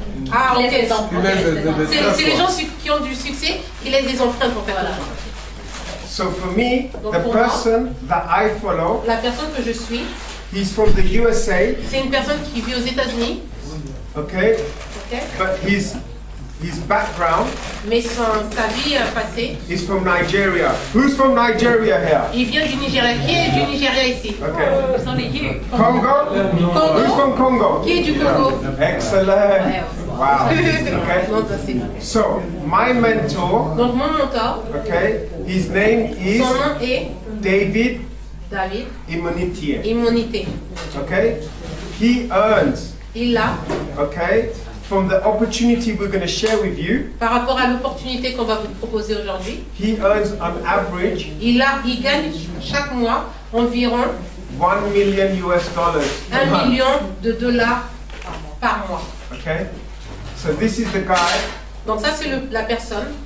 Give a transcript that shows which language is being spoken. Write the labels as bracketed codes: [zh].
[fr] Ah, ok. C'est les gens qui ont du succès qui laissent des empreintes pour faire l'argent. [en] So for me, the person that I follow, [fr] la personne que je suis, [en] he's from the USA. [fr] C'est une personne qui vit aux États-Unis. [en] Okay. Okay. But his background. [fr] Mais son sa vie passée. [en] He's from Nigeria. Who's from Nigeria here? [fr] Il vient du Nigeria. Qui est du Nigeria ici? [en] Okay. Oh, Congo? No. Congo. Who's from Congo? [fr] Qui est du Congo? [en] Excellent. Wow. Okay. So my mentor. [fr] Donc mon mentor. [en] Okay. His name is. [fr] Son nom est. David. David. Immunité. Immunité. [en] Okay. He earns. [fr] Il a. [en] Okay. From the opportunity we're going to share with you. [fr] Par rapport à l'opportunité qu'on va vous proposer aujourd'hui. [en] He earns on average. [fr] Il gagne chaque mois environ. [en] $1 million. [fr] $1 million par mois. [en] Okay. So this is the guy. [fr] Donc ça c'est la personne.